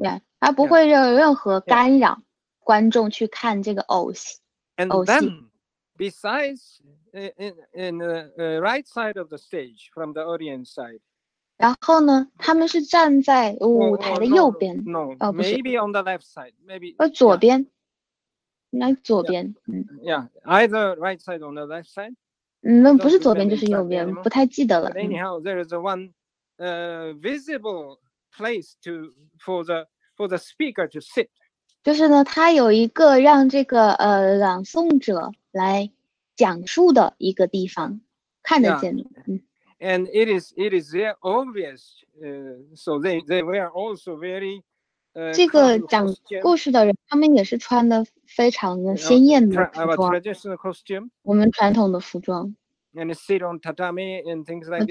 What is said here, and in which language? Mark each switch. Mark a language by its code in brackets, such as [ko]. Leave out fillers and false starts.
[zh] Yeah, 它不会有任何干扰观众去看这个偶戏。 [en] And then,besides, in the right side of the stage, from the audience side. [zh] 然后呢，他们是站在舞台的右边。 [en] Maybe on the left side. Maybe. [zh] 左边。那左边。 [en] Yeah, either right side or the left side. [zh] 不是左边就是右边，不太记得了。 [en] Anyhow, there is one visible place to for the speaker to sit. [zh] 就是呢，它有一个让这个朗诵者来讲述的一个地方，看得见的。 [en] And it is very obvious. So they were also very. [zh] 这个讲故事的人，他们也是穿的非常的鲜艳的服装。 [en] Our traditional costume. [zh] 我们传统的服装。 [en] And sit on tatami and things like this.